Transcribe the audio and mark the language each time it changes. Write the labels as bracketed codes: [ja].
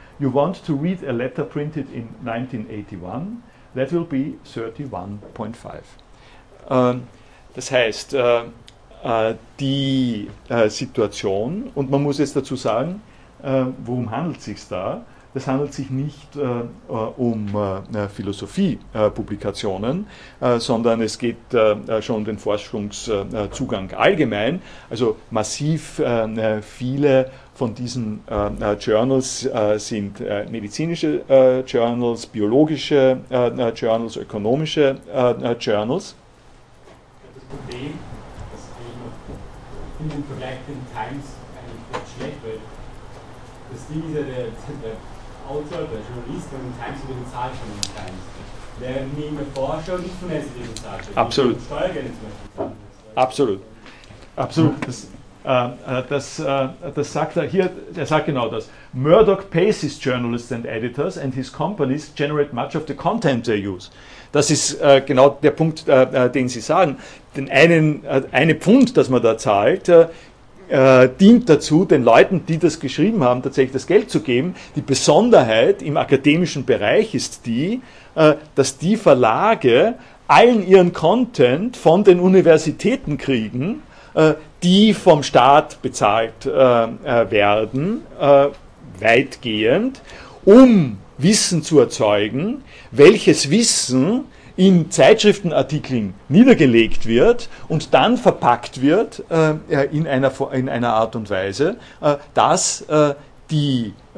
[en] You want to read a letter printed in 1981? That will be 31.5. [de] Das heißt, die Situation, und man muss jetzt dazu sagen, worum handelt es sich da? Das handelt sich nicht um Philosophie-Publikationen, sondern es geht schon um den Forschungszugang allgemein. Also massiv viele von diesen Journals sind medizinische Journals, biologische Journals, ökonomische Journals. Das Problem, das in dem Vergleich den Times eigentlich nicht schlecht wird, das Ding ist ja der Autor, der Journalist, und der Times wird bezahlt von den Times. Der nimmt der Forscher und nicht von der Seite bezahlt. Absolut. Die Steuergelder zum Beispiel. Absolut. Absolut. Das sagt er hier, er sagt genau das. [en] Murdoch pays his journalists and editors and his companies generate much of the content they use. [de] Das ist genau der Punkt, den Sie sagen. Denn eine Pfund, das man da zahlt, dient dazu, den Leuten, die das geschrieben haben, tatsächlich das Geld zu geben. Die Besonderheit im akademischen Bereich ist die, dass die Verlage allen ihren Content von den Universitäten kriegen, die vom Staat bezahlt werden, weitgehend, um Wissen zu erzeugen, welches Wissen in Zeitschriftenartikeln niedergelegt wird und dann verpackt wird in einer Art und Weise, dass die